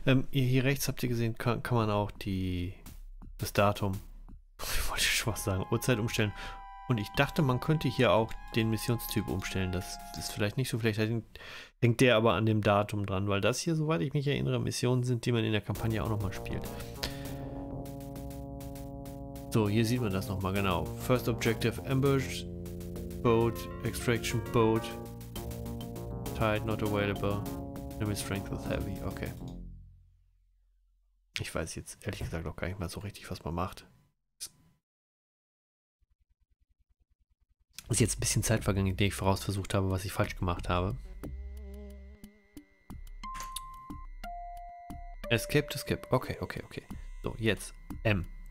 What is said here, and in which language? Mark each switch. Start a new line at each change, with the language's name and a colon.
German: Hier rechts habt ihr gesehen, kann man auch das Datum, ich wollte schon was sagen, Uhrzeit umstellen. Und ich dachte, man könnte hier auch den Missionstyp umstellen. Das ist vielleicht nicht so. Vielleicht hängt der aber an dem Datum dran. Weil das hier, soweit ich mich erinnere, Missionen sind, die man in der Kampagne auch nochmal spielt. So, hier sieht man das nochmal genau.
English: First Objective, Ambush, Boat, Extraction, Boat, Tide not available, Enemy Strength is heavy. Okay.
German: Ich weiß jetzt ehrlich gesagt auch gar nicht mal so richtig, was man macht. Ist jetzt ein bisschen Zeit vergangen, in der ich vorausversucht habe, was ich falsch gemacht habe.
English: Escape to skip.
German: Okay, okay, okay. So, jetzt M.